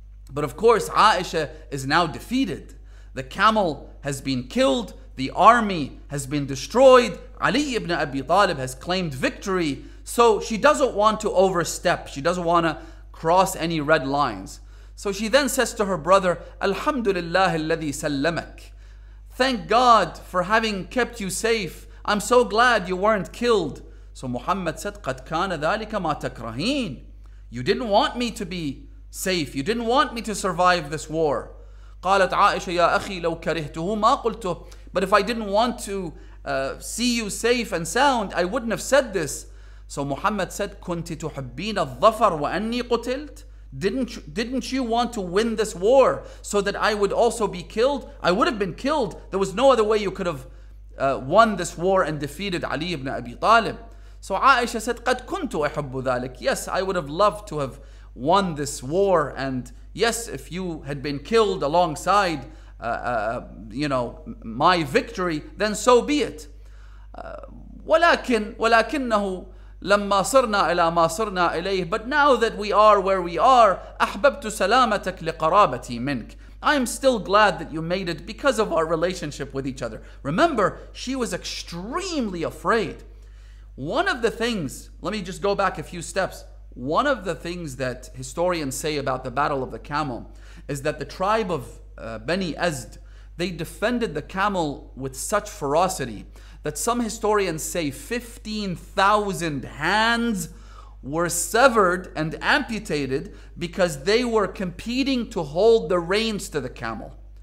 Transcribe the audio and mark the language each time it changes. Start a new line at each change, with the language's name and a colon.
English: But of course, Aisha is now defeated. The camel has been killed, the army has been destroyed, Ali ibn Abi Talib has claimed victory, so she doesn't want to overstep, she doesn't want to cross any red lines. So she then says to her brother,
Arabic: Alhamdulillah alladhi sallamak.
English: Thank God for having kept you safe. I'm so glad you weren't killed. So Muhammad said,
Arabic: قَدْ كَانَ ذَٰلِكَ مَا تَكْرَهِينَ.
English: You didn't want me to be safe. You didn't want me to survive this war.
Arabic: قَالَتْ عَائِشَ يَا أَخِي لَوْ كَرِهْتُهُ مَا قُلْتُهُ.
English: But if I didn't want to see you safe and sound, I wouldn't have said this. So Muhammad said,
Arabic: كُنْتِ تُحَبِّينَ الظَّفَرُ وَأَنِّي قُتِلْتُ.
English: Didn't you want to win this war so that I would also be killed? I would have been killed. There was no other way you could have won this war and defeated Ali ibn Abi Talib. So Aisha said,
Arabic: قَدْ كُنْتُ أَحَبُّ ذَلِكَ.
English: Yes, I would have loved to have won this war. And yes, if you had been killed alongside my victory, then so be it.
Arabic: وَلَكِنَّهُ لما صرنا إلى ما صرنا إليه.
English: But now that we are where we are,
Arabic: أحببت سلامتك لقرابتي منك.
English: I'm still glad that you made it because of our relationship with each other. Remember, she was extremely afraid. One of the things, let me just go back a few steps. One of the things that historians say about the Battle of the Camel is that the tribe of Bani Azd, they defended the camel with such ferocity that some historians say 15,000 hands were severed and amputated because they were competing to hold the reins to the camel.